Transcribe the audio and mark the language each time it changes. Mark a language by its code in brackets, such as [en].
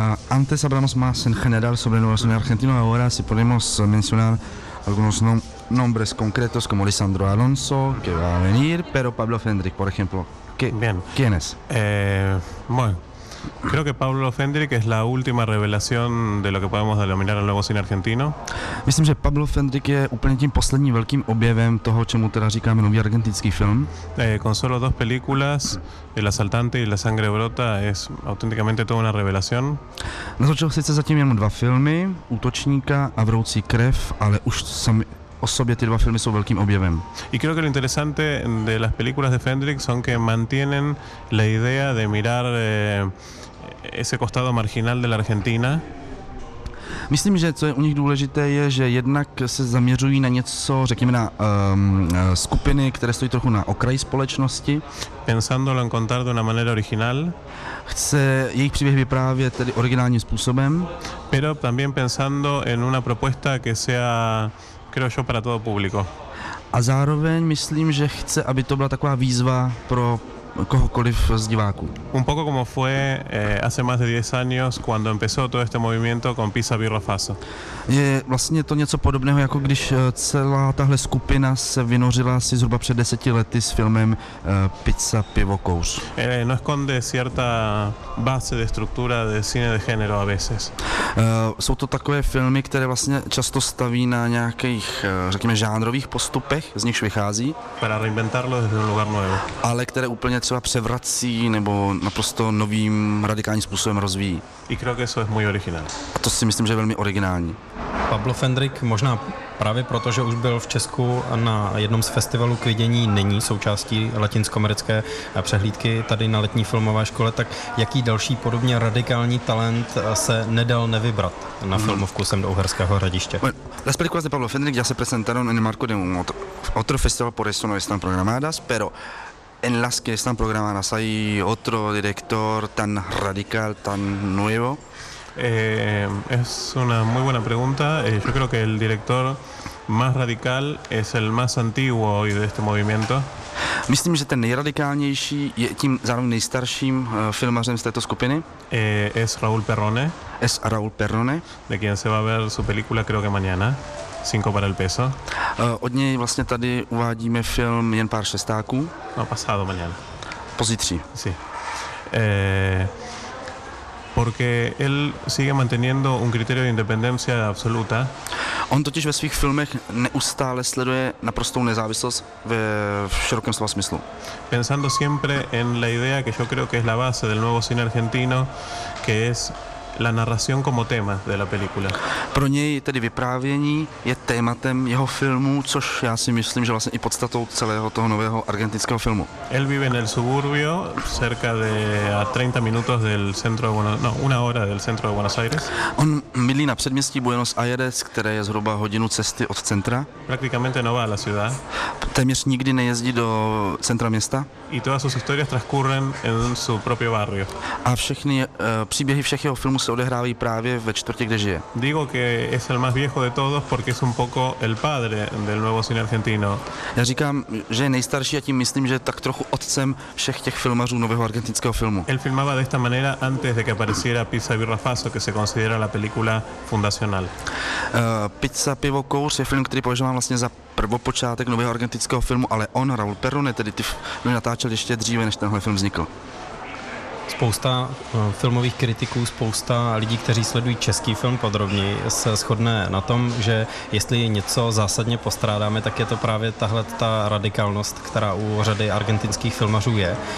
[es] Antes hablamos más en general sobre Nueva Zelanda Argentina, ahora si podemos mencionar algunos nombres concretos como Lisandro Alonso, que va a venir, pero Pablo Fendrik, por ejemplo. Bien. ¿Quién es? Bueno, creo que Pablo Fendrick es la última revelación de lo que podemos denominar el nuevo cine argentino. [cs] Myslím, že Pablo Fendrick je úplně tím posledním velkým objevem toho, čemu teda říkáme nový argentinský film. [es] Con solo dos películas, El asaltante y La sangre brota, es auténticamente toda una revelación. [cs] Natočil sice zatím jenom dva filmy, Útočníka a Vroucí krev, ale už sami o sobě ty dva filmy jsou velkým objevem. [es] Y creo que lo interesante de las películas de Fendrick son que mantienen la idea de mirar ese costado marginal de la Argentina. [cs] Myslím, že co je u nich důležité, je, že jednak se zaměřují na něco, řekněme, na skupiny, které stojí trochu na okraji společnosti. [es] Pensándolo en contar de una manera original. [cs] Chce jejich příběh vyprávět tedy originálním způsobem. [es] Pero también pensando en una propuesta que sea creo yo para todo público. [cs] A zároveň myslím, že chce, aby to byla taková výzva pro kohokoliv z diváků. [es] Un poco como fue hace más de 10 años cuando empezó todo este movimiento con Pisa, Birra, Faso. [cs] Je vlastně to něco podobného, jako když celá tahle skupina se vynořila asi zhruba před 10 lety s filmem Pizza, pivo, kouř. [es] No esconde cierta base de estructura de cine de género a veces. [cs] Jsou to takové filmy, které vlastně často staví na nějakých, řekněme, žánrových postupech, z nichž vychází. [es] Para reinventarlo desde un lugar nuevo. [cs] Ale které úplně třeba převrací nebo naprosto novým radikálním způsobem rozvíjí. [es] I creo que eso es muy original. [cs] A to si myslím, že je velmi originální. Pablo Fendrick možná právě proto, že už byl v Česku na jednom z festivalů k vidění, není součástí latinskoamerické přehlídky tady na letní filmové škole, tak jaký další podobně radikální talent se nedal nevybrat na filmovku sem do Uherského Hradiště? [es] Las películas de Pablo Fendrick ya se presentaron en el marco de otro festival, por eso no están programadas, pero en las que están programadas hay otro director tan radical, tan nuevo. Es una muy buena pregunta. Yo creo que el director más radical es el más antiguo hoy de este movimiento. [cs] Myslím, že ten nejradikálnější je tím zároveň nejstarším filmařem z této skupiny. [es] Es Raúl Perrone. Es Raúl Perrone. De quien se va a ver su película creo que mañana. Cinco para el peso. [cs] Od něj vlastně tady uvádíme film Jen pár šestáků. [es] No, pasado mañana. [cs] Pozítří. [es] Sí. Porque él sigue manteniendo un criterio de independencia absoluta. [cs] On totiž ve svých filmech neustále sleduje naprostou nezávislost v širokém slova smyslu. [es] Pensando siempre en la idea que yo creo que es la base del nuevo cine argentino, que es la narración como tema de la película. [cs] Pro něj tedy vyprávění je tématem jeho filmu, což já si myslím, že vlastně i podstatou celého toho nového argentinského filmu. [es] Él vive en el suburbio, cerca de a 30 minutos del centro de Buenos, no, una hora del centro de Buenos Aires. [cs] On bydlí na předměstí Buenos Aires, které je zhruba hodinu cesty od centra. [es] Prácticamente no va a la ciudad. [cs] Téměř nikdy nejezdí do centra města. [es] Y todas sus historias transcurren en su propio barrio. [cs] A všechny příběhy všech jeho filmů se odehrávají právě ve čtvrti, kde žije. [es] Digo que es el más viejo de todos porque es un poco el padre del nuevo cine argentino. [cs] Já říkám, že je nejstarší a tím myslím, že tak trochu otcem všech těch filmařů nového argentinského filmu. [es] Él filmaba de esta manera antes de que apareciera Pizza, Birra, Faso, que se considera la película fundacional. [cs] Pizza, pivo, kouř je film, který považuji vlastně za prvopočátek nového argentinského filmu, ale on, Raúl Perrone, tedy ty natáčel ještě dříve, než tenhle film vznikl. Spousta filmových kritiků, spousta lidí, kteří sledují český film podrobně, se shodne na tom, že jestli něco zásadně postrádáme, tak je to právě tahle ta radikálnost, která u řady argentinských filmařů je.